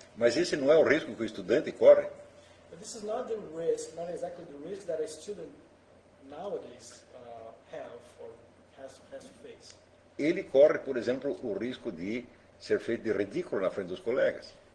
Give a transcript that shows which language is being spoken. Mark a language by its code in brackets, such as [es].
[pt] Mas esse não é o risco que o estudante corre? [en] But this is not the risk, not exactly the risk that a student nowadays have or has to face. [pt] Ele corre, por exemplo, o risco de ser feito de ridículo na frente dos colegas.